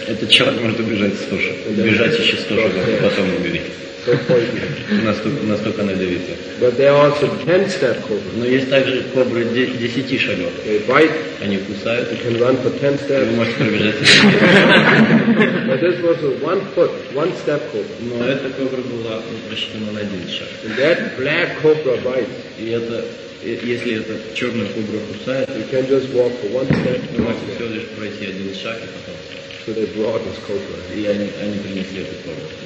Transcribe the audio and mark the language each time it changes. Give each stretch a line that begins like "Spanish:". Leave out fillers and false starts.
Russian: Этот человек может убежать 100 шагов, бежать еще 100 шагов, потом убежать. Настолько надавится. Но есть также кобры 10 шагов.
English: They bite,
Russian: они кусают.
English: You can run for 10 steps.
Russian: Вы можете пробежать.
English: But this was a one foot, one step cobra.
Russian: Но эта кобра была рассчитана на один шаг.
English: And that black cobra bites.
Russian: И это если эта черная кобра кусает,
English: you can just walk for one step,
Russian: вы можете всего лишь пройти один шаг и потом.
English: So they brought this cobra.
Russian: И они принесли эту кобру.